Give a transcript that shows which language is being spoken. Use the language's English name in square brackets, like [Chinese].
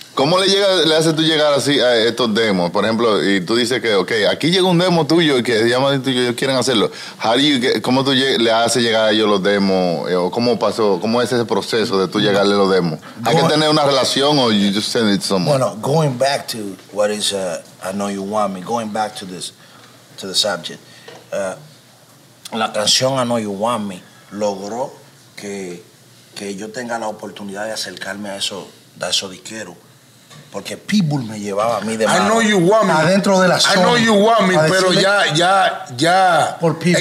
[Spanish] ¿Cómo le haces tú llegar así a estos demos? Por ejemplo, y tú dices que, ok, aquí llega un demo tuyo y que se llama y ellos quieren hacerlo. ¿Cómo tú le haces llegar a ellos los demos? ¿O cómo pasó? ¿Cómo es ese proceso de tú llegarle los demos? ¿Hay que tener una relación o [English] you just send it someone? [Spanish] Bueno, [English] going back to what is, I know you want me, going back to this, to the subject. [Spanish] La canción I know you want me logró que yo tenga la oportunidad de acercarme a eso disquero. Porque Pitbull me llevaba a mí de mano. [English] I know you want me. [Spanish] Adentro de la zona. [English] I know you want me, [Spanish] pero ya. Por Pitbull.